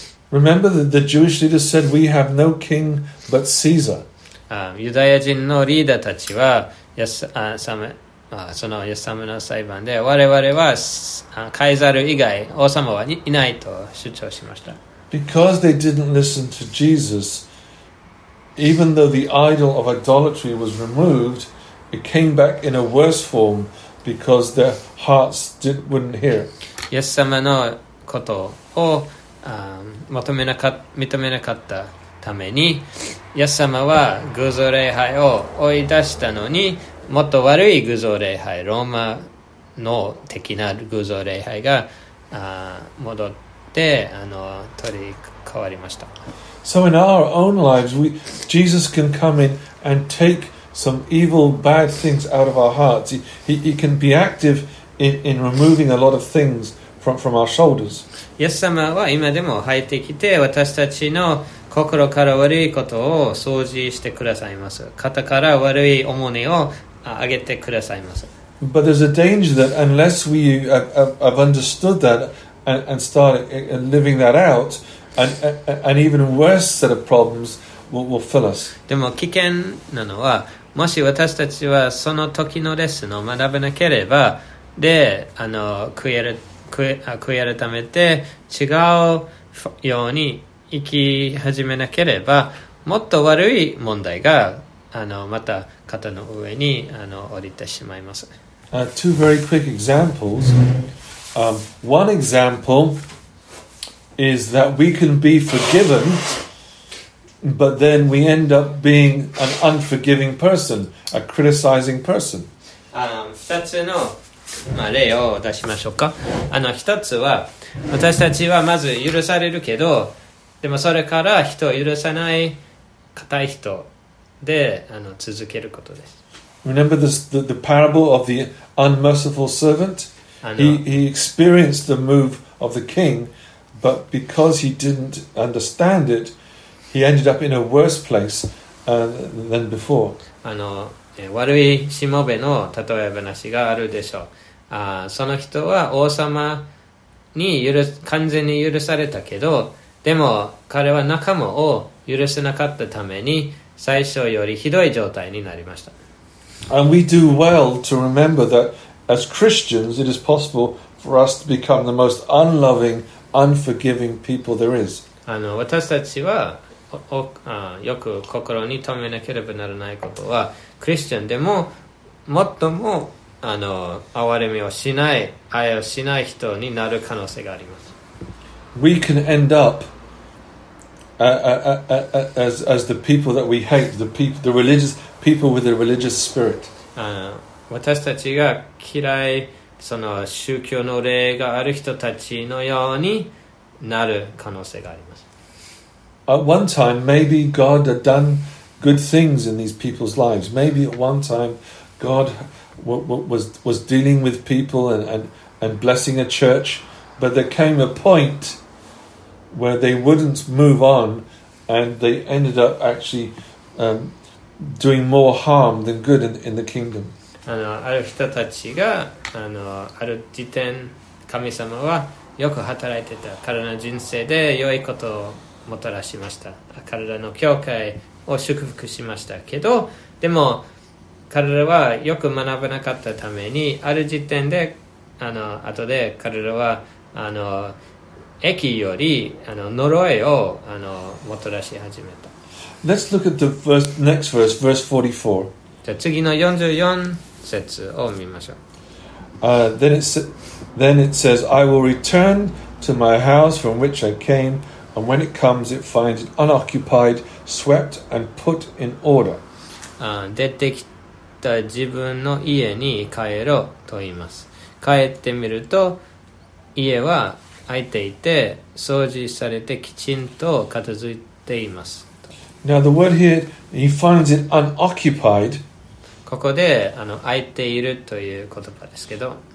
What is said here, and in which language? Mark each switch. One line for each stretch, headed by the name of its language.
English: Remember that the Jewish leaders said, "We have no king but Caesar."
Japanese: ユダヤ人のリーダーたちはイエス様、そのイエス様の裁判で我々はカイザル以外王様はいないと主張しました。
English: Because they didn't listen to Jesus, even though the idol of idolatry was removed, it came back in a worse form because their hearts wouldn't hear.
Japanese: イエス様のことを認めなかったために、イエス様は偶像礼拝を追い出したのに、もっと悪い偶像礼拝、ローマの的な偶像礼拝が戻って取り替わりました。
English: So in our own lives, Jesus can come in and take some evil bad things out of our hearts. He can be active in removing a lot of thingsfrom our shoulders.
Japanese: イエス様は今でも入ってきて私たちの心から悪いことを掃除してくださいます。肩から悪い重荷を上げてくださいます。
English: But there's a danger that unless we have understood that and started living that out, an even worse set of problems will fill us.
Japanese: でも危険なのは、もし私たちはその時のレッスンを学べなければ、で悔い改めて違うように生き始めなければ、もっと悪い問題がまた肩の上に降りてしまいます。
English: Two very quick examples. One example is that we can be forgiven, but then we end up being an unforgiving person, a criticizing person.
Japanese: 2つの例を出しましょうか。一つは、私たちはまず許されるけど、でもそれから人を許さない固い人で続けることです。
English: Remember this, the parable of the unmerciful servant? He experienced the move of the king, but because he didn't understand it, he ended up in a worse place than before.
Japanese: 悪いしもべの例え話があるでしょう。その人は王様に完全に許されたけど、でも彼は仲間を許せなかったために最初よりひどい状態になりました。
English: And we do well to remember that as Christians it is possible for us to become the most unloving, unforgiving people there is.
Japanese: 私たちはよく心に留めなければならないことは、クリスチャンでも最も憐れみをしない、愛をしない人になる可能性があります。
English: We can end up as the people that we hate, the people, the religious people with a religious spirit.
Japanese: 私たちが嫌いその宗教の霊がある人たちのようになる可能性があります。
English: At one time, maybe God had done good things in these people's lives. Maybe at one time, God was dealing with people and blessing a church. But there came a point where they wouldn't move on, and they ended up actually doing more harm than good in the kingdom.
Japanese: ある人たちがある時点、神様はよく働いてた。彼らの人生で良いことをもたらしました。彼らの教会を祝福しましたけど、でも彼らはよく学ばなかったために、ある時点で後で彼らは益より呪いをもたらし始めた。
English: Let's look at the next verse, verse 44.
Japanese: じゃあ次の44節を見ましょう。
English: Then it says, I will return to my house from which I came, and when it comes, it finds it unoccupied, swept, and put in order.
Japanese: 出てきた自分の家に帰ろうと言います。帰ってみると、家は空いていて、掃除されてきちんと片付いています。
English: Now the word here, he finds it unoccupied.
Japanese: ここで空いているという言葉ですけど、